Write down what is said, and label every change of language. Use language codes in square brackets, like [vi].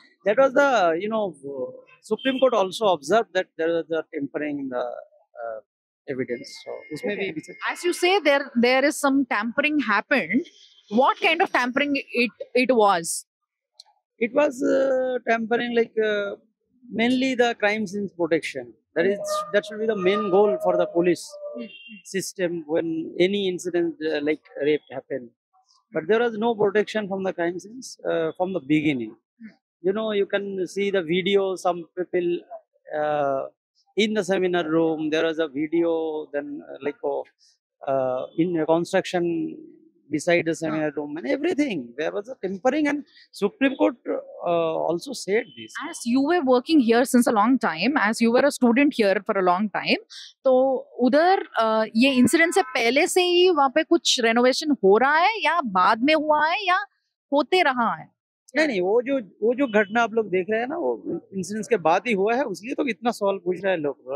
[en] that was the you know supreme court also observe that there was the tampering in the evidence, [hi] सो उसमें भी [en] As you say there is some tampering happened, what kind of tampering it was? It was tampering like mainly the crimes in protection. That is, that should be the main goal for the police system when any incident like rape happened. But there was no protection from the crime scenes from the beginning. You know, you can see the video, some people in the seminar room, there was a video, then like in a construction beside the seminar room and everything. There was a tempering, and Supreme Court also said this. As you were working here since a long time, [hi] as you were a student here for a long time, तो उधर ये incident से पहले से ही वहाँ पे कुछ renovation हो रहा है या बाद में हुआ है या होते रहा है? नहीं नहीं, वो जो घटना आप लोग देख रहे हैं ना, वो incident के बाद ही हुआ है, इसलिए तो इतना सवाल पूछ रहे हैं लोग.